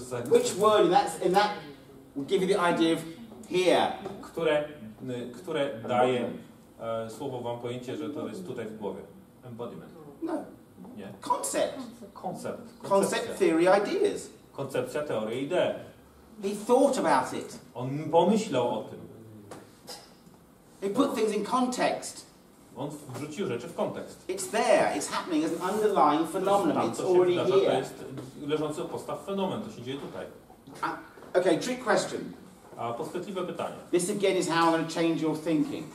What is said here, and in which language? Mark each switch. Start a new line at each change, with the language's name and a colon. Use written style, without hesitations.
English: Which word in that would give you the idea of here?
Polish: Które daje słowo wam pojęcie, że to jest tutaj w głowie?
English: Embodiment. No.
Polish: Nie.
English: Concept. Concept. Concept theory ideas.
Polish: Koncepcja, teoria, idea.
English: He thought about it.
Polish: On pomyślał o tym.
English: He put things in context.
Polish: On wrzucił rzeczy w kontekst.
English: It's there. It's happening as an underlying phenomenon. It's already here.
Polish: To jest leżący u podstaw fenomen. To się dzieje tutaj.
English: Okay, trick question.
Polish: A podchwytliwe pytanie.
English: This again is how I'm going to change your thinking.